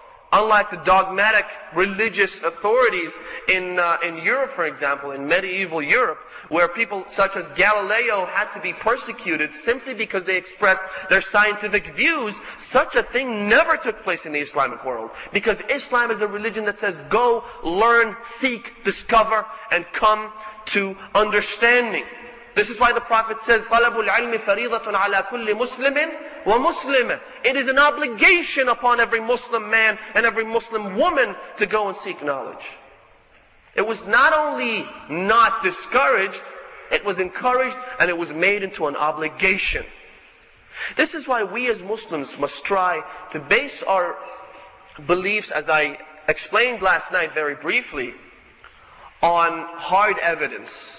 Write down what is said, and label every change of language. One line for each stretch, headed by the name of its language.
English: Unlike the dogmatic religious authorities in Europe, for example, in medieval Europe, where people such as Galileo had to be persecuted simply because they expressed their scientific views, such a thing never took place in the Islamic world. Because Islam is a religion that says, go, learn, seek, discover, and come to understanding. This is why the Prophet says,
Arabic: طَلَبُ الْعِلْمِ فَرِيضَةٌ عَلَى كُلِّ مُسْلِمٍ وَمُسْلِمٍ.
English: It is an obligation upon every Muslim man and every Muslim woman to go and seek knowledge. It was not only not discouraged, it was encouraged and it was made into an obligation. This is why we as Muslims must try to base our beliefs, as I explained last night very briefly, on hard evidence.